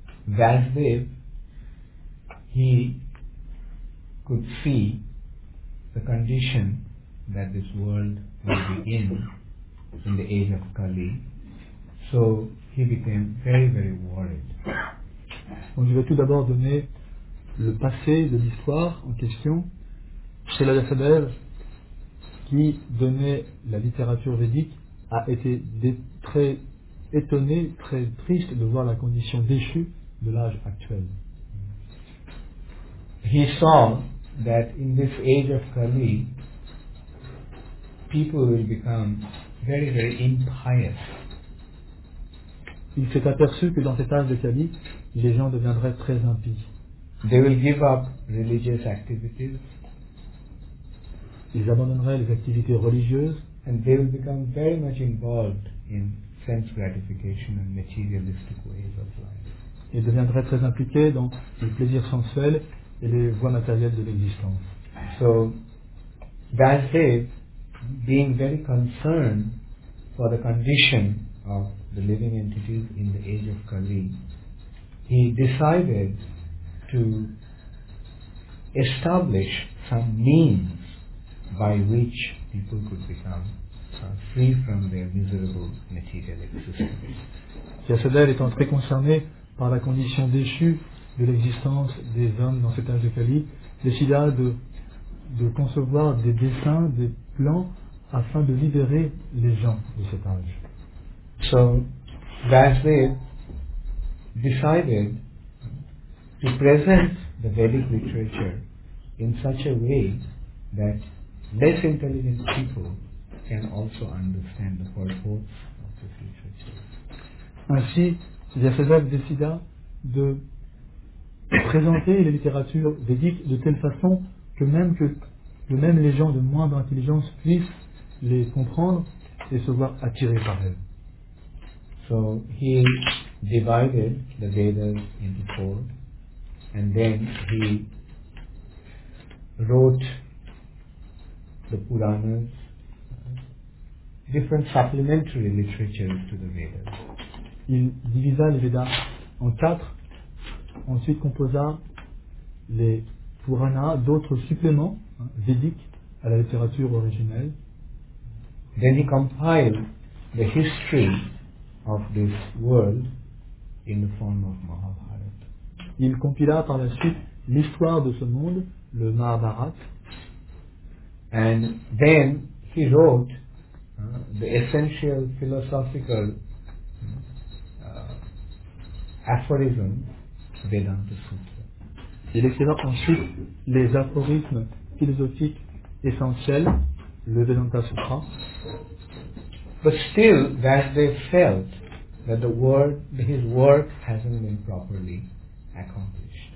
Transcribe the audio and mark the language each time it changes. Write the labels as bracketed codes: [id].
[en] Vasudev, he could see the condition that this world will be in the age of Kali. So he became very, very worried. [fr] Donc je vais tout d'abord donner le passé de l'histoire en question. C'est la Vyasadeva qui donnait la littérature védique a été très étonné, très triste de voir la condition déchue de l'âge actuel. [en] He saw that in this age of Kali, people will become very, very impious. [fr] Il s'est aperçu que dans cet âge de Kali, les gens deviendraient très impies. [en] They will give up religious activities. [fr] Ils abandonneraient les activités religieuses. [en] And they will become very much involved in sense gratification and materialistic ways of life. [fr] Ils deviendraient très impliqués dans les plaisirs sensuels et les voies matérielles de l'existence. [en] So, Vasudev, being very concerned for the condition of the living entities in the age of Kali, he decided to establish some means by which people could become free from their miserable material existence. [fr] Yasadev étant très concerné par la condition déchue de l'existence des hommes dans cet âge de Kali, décida de concevoir des dessins, des plans afin de libérer les gens de cet âge. [en] So, Vasudev decided to present the Vedic literature in such a way that less intelligent people can also understand the purpose of this literature. [fr] Ainsi, Vyasadeva décida de présenter les littératures védiques de telle façon que même les gens de moindre intelligence puissent les comprendre et se voir attirés par elles. [en] So he divided the Vedas into four, and then he wrote the Puranas, different supplementary literatures to the Vedas. [fr] Il divisa les Vedas en quatre, ensuite composa les Puranas, d'autres suppléments védiques à la littérature originelle. [en] Then he compiled the history of this world in the form of Mahabharata. [fr] Il compila par la suite l'histoire de ce monde, le Mahabharata. [en] And then he wrote the essential philosophical aphorism Vedanta Sutra. [fr] Il écrivit ensuite les aphorismes philosophiques essentiels, le Vedanta Sutra. [en] But still, that they felt that the word, his work hasn't been properly accomplished.